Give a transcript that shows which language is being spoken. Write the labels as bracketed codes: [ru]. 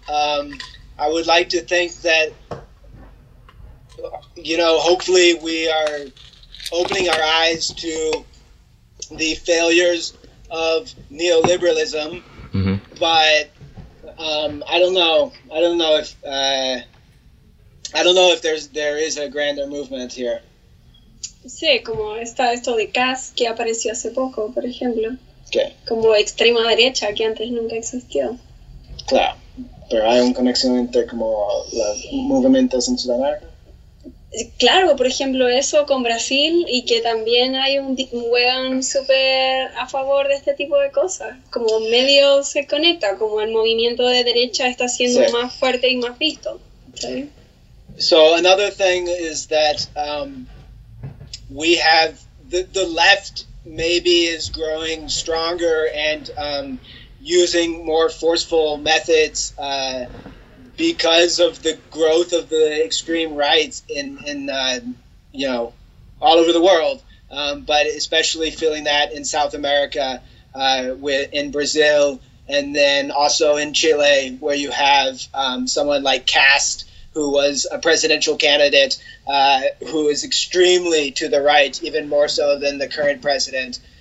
[en] I would like to think that, you know, hopefully we are opening our eyes to the failures of neoliberalism. Mm-hmm. But I don't know. I don't know if there is a grander movement here. [es] Sí, como está esto de CAS que apareció hace poco, por ejemplo. [en] Okay. [es] Como extrema derecha que antes nunca existió. Claro. pero hay un conexión entre como los movimientos en Sudamérica. Claro, por ejemplo, eso con Brasil, y que también hay un weón súper a favor de este tipo de cosas. Como medio se conecta, como el movimiento de derecha está siendo sí. más fuerte y más visto. ¿Sí? [en] So, another thing is that we have, the left maybe is growing stronger and using more forceful methods because of the growth of the extreme rights in all over the world, but especially feeling that in South America, in Brazil, and then also in Chile, where you have someone like Kast, who was a presidential candidate, who is extremely to the right, even more so than the current president.